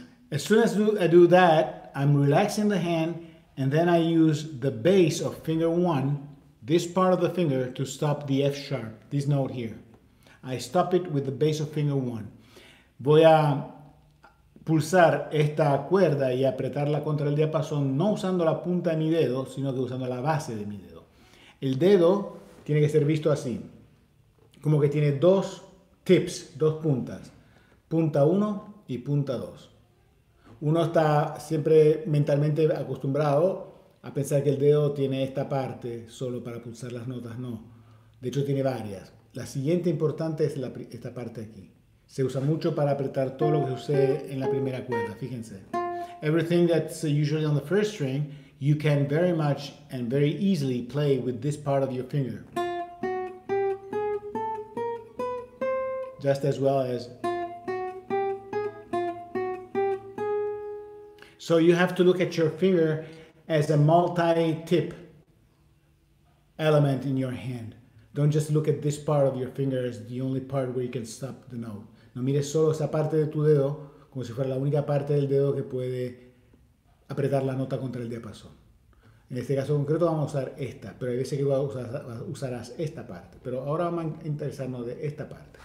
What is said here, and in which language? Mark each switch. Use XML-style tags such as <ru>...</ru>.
<en>As soon as I do that, I'm relaxing the hand, and then I use the base of finger one, this part of the finger, to stop the F sharp, this note here. I stop it with the base of finger one.</en> <es>Voy a pulsar esta cuerda y apretarla contra el diapasón, no usando la punta de mi dedo, sino que usando la base de mi dedo. El dedo tiene que ser visto así, como que tiene dos tips, dos puntas, punta uno y punta dos. Uno está siempre mentalmente acostumbrado a pensar que el dedo tiene esta parte solo para pulsar las notas. No, de hecho tiene varias. La siguiente importante es esta parte aquí. Se usa mucho para apretar todo lo que sucede en la primera cuerda, fíjense.</es> <en>Everything that's usually on the first string, you can very much and very easily play with this part of your finger. Just as well as... So you have to look at your finger as a multi-tip element in your hand. Don't just look at this part of your finger as the only part where you can stop the note.</en> <es>No mires solo esa parte de tu dedo como si fuera la única parte del dedo que puede apretar la nota contra el diapasón. En este caso concreto vamos a usar esta, pero hay veces que usarás esta parte. Pero ahora vamos a interesarnos de esta parte.</es>